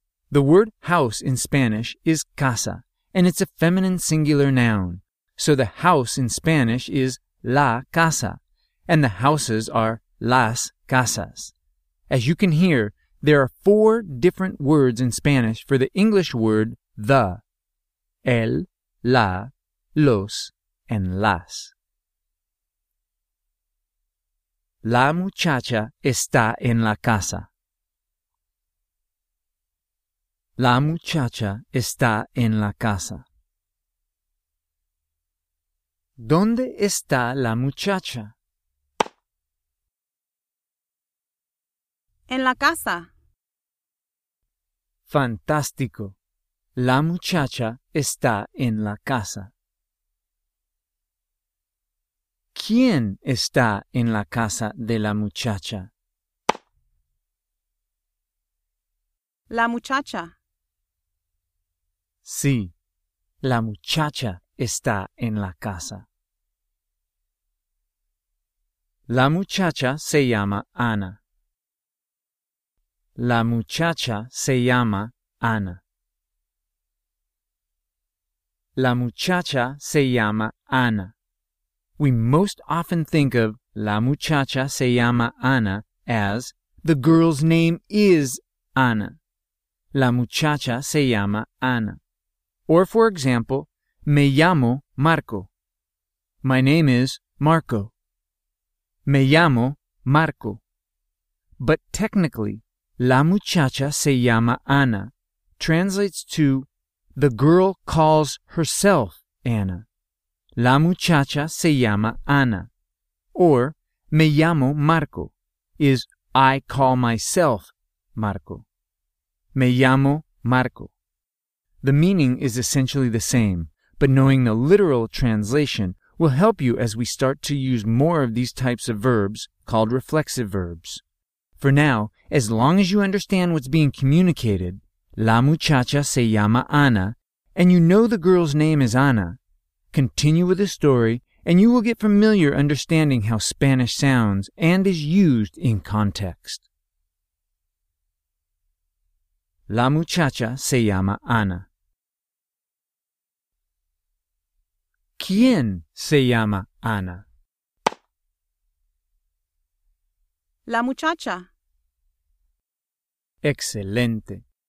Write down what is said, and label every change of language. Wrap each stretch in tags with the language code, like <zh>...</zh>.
<en>The word house in Spanish is casa, and it's a feminine singular noun, so the house in Spanish is</en> <es>la casa.</es> <en>And the houses are</en> <es>las casas.</es> <en>As you can hear, There are four different words in Spanish for the English word the: el, la, los, and las.</en> <es>La muchacha está en la casa. La muchacha está en la casa. ¿Dónde está la muchacha? En la casa. Fantástico. La muchacha está en la casa. ¿Quién está en la casa de la muchacha? La muchacha. Sí, la muchacha está en la casa. La muchacha se llama Ana. La muchacha se llama Ana. La muchacha se llama Ana.</es> <en>We most often think of</en> <es>la muchacha se llama Ana</es> <en>as the girl's name is Ana.</en> <es>La muchacha se llama Ana.</es> <en>Or for example,</en> <es>me llamo Marco.</es> <en>My name is Marco.</en> <es>Me llamo Marco.</es> <en>But technically,</en> <es>la muchacha se llama Ana</es> <en>translates to the girl calls herself Ana.</en> <es>La muchacha se llama Ana.</es> <en>Or,</en> <es>me llamo Marco</es> <en>is I call myself Marco.</en> <es>Me llamo Marco.</es> <en>The meaning is essentially the same, but knowing the literal translation will help you as we start to use more of these types of verbs called reflexive verbs. For now, as long as you understand what's being communicated,</en> <es>la muchacha se llama Ana,</es> <en>and you know the girl's name is Ana, continue with the story and you will get familiar understanding how Spanish sounds and is used in context.</en> <es>La muchacha se llama Ana. ¿Quién se llama Ana? La muchacha. Excelente.</es>